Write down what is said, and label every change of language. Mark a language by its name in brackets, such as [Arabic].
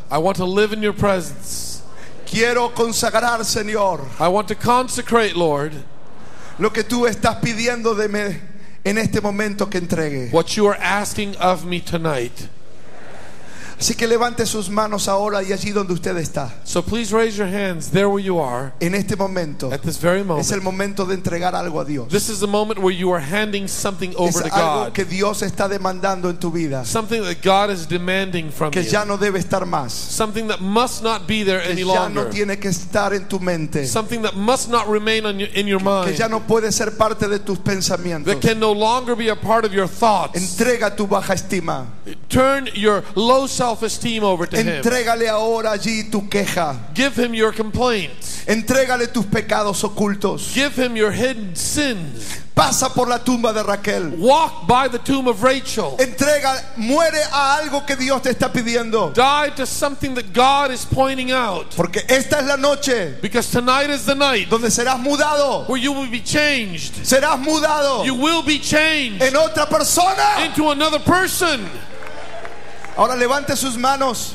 [English] I want to live in your presence. [Spanish] Quiero consagrar, Señor. [English] I want to consecrate, Lord. [Spanish] Lo que tú estás pidiendo de mí en este momento que entregue. [English] What you are asking of me tonight. [Spanish] Así que levante sus manos ahora y allí donde usted está. [English] So please raise your hands there where you are. [Spanish] En este momento. [English] At this very moment. [Spanish] Es el momento de entregar algo a Dios. [English] This is the moment where you are handing something over to God. [Spanish] Es algo que Dios está demandando en tu vida. [English] Something that God is demanding from you. [Spanish] Que ya no debe estar más. [English] Something that must not be there any longer. [Spanish] Que ya no tiene que estar en tu mente. [English] Something that must not remain in your mind. [Spanish] Que ya no puede ser parte de tus pensamientos. [English] That can no longer be a part of your thoughts. [Spanish] Entrega tu baja estima. [English] Turn your low self-esteem over to [Spanish] entrégale [English] him. [Spanish] Ahora allí tu queja. [English] Give him your complaints. [Spanish] Entrégale tus pecados ocultos. [English] Give him your hidden sins. [Spanish] Pasa por la tumba de Raquel. [English] Walk by the tomb of Rachel. [Spanish] Entrega, muere a algo que Dios te está pidiendo. [English] Die to something that God is pointing out. [Spanish] Porque esta es la noche. [English] Because tonight is the night. [Spanish] Donde serás mudado. [English] Where you will be changed. [Spanish] Serás mudado. [English] You will be changed. [Spanish] En otra persona. [English] Into another person. [Spanish] Ahora levante sus manos.